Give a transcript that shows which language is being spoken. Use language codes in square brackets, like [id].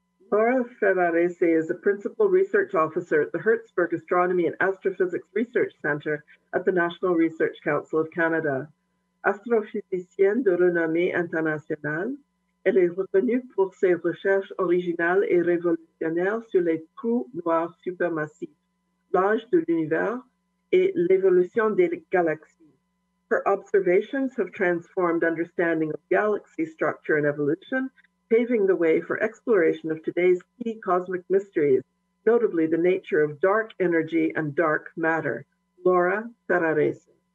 [en] Laura Ferrarese is a principal research officer at the Hertzberg Astronomy and Astrophysics Research Center at the National Research Council of Canada. [fr] Astrophysicienne de renommée internationale, elle est reconnue pour ses recherches originales et révolutionnaires sur les trous noirs supermassifs, l'âge de l'univers et l'évolution des galaxies. [en] Her observations have transformed understanding of galaxy structure and evolution, paving the way for exploration of today's key cosmic mysteries, notably the nature of dark energy and dark matter. Laura Ferrarese.